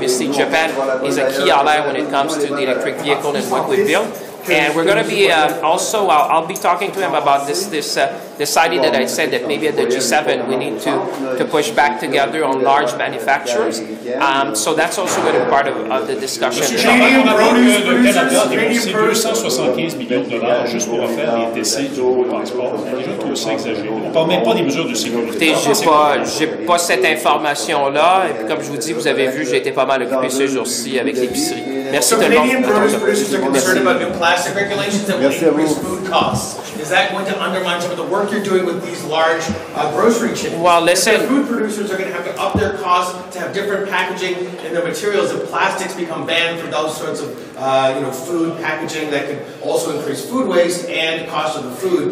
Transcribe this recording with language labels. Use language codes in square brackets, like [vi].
[en] Obviously, Japan is a key ally when it comes to the electric vehicle and what we build. And we're going to be also, I'll be talking to him about this idea that I said that maybe at the G7 we need to push back together on large manufacturers. So that's also going to be part of the discussion. [fr] Monsieur Chéri, on a vu que le Canada a dépensé 275 millions de dollars juste pour refaire les décès du transport. On a déjà trouvé ça exagéré. On ne parle même pas des mesures de sécurité. J'ai pas cette information-là. Et puis comme je vous dis, vous avez vu, j'ai été pas mal occupé ces jours-ci avec l'épicerie. Merci de [en] plastic regulations that will increase food costs. Is that going to undermine some of the work you're doing with these large grocery chains? Well, listen. The food producers are going to have to up their costs to have different packaging in their materials if plastics become banned for those sorts of food packaging that could also increase food waste and cost of the food.